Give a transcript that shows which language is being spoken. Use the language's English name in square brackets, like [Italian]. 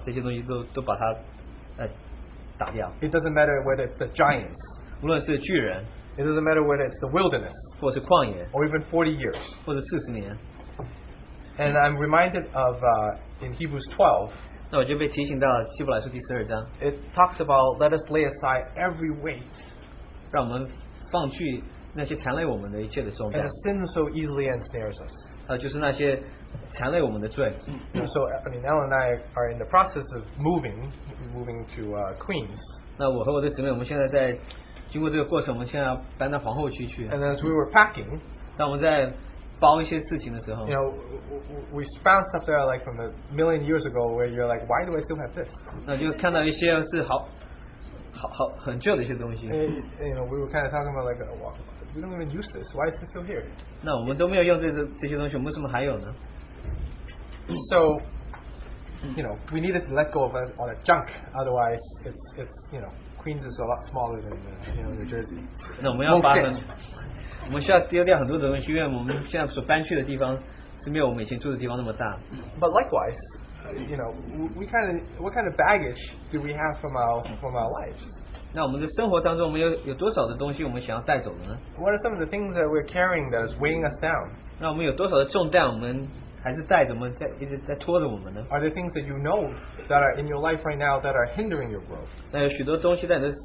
[Chinese] 那如果有任何的事情会拦阻他的话，他会把这些东西都把他打掉。 [English] It doesn't matter whether it's the giants, [Chinese] 无论是巨人, [English] it doesn't matter whether it's the wilderness, [Chinese] 或是旷野, [English] or even 40 years, [Chinese] 或是40年。 [English] And I'm reminded of in Hebrews 12, [Chinese] 那我就被提醒到希伯来书第12章, [English] it talks about, let us lay aside every weight, [Chinese] 让我们放去 [English] And the sin so easily ensnares us. So, I mean, Ellen and I are in the process of moving to Queens. [Chinese] 那我和我的姊妹，我们现在在经过这个过程，我们现在搬到皇后区去。 [English] And as we were packing, [Chinese] 当我们在包一些事情的时候, [English] you know, we found stuff there like from a million years ago where you're like, why do I still have this? [Chinese] 那就看到一些是很旧的一些东西。 [English] You know, we were kind of talking about like, well, we don't even use this, why is it still here? [Chinese] 那我们都没有用这些东西，我们为什么还有呢？ [English] So, you know, we needed to let go of all that junk. Otherwise, it's you know, Queens is a lot smaller than New Jersey. No, we have to throw away a lot of things because our current place is not as big as our previous place. But likewise, you know, what kind of baggage do we have from our lives? [Chinese] 那我们的生活当中，我们有多少的东西我们想要带走的呢？ [English] What are some of the things that we're carrying that is weighing us down? [Chinese] 那我们有多少的重担我们 还是带着我们在, [English] are there things that you know that are in your life right now that are hindering your growth?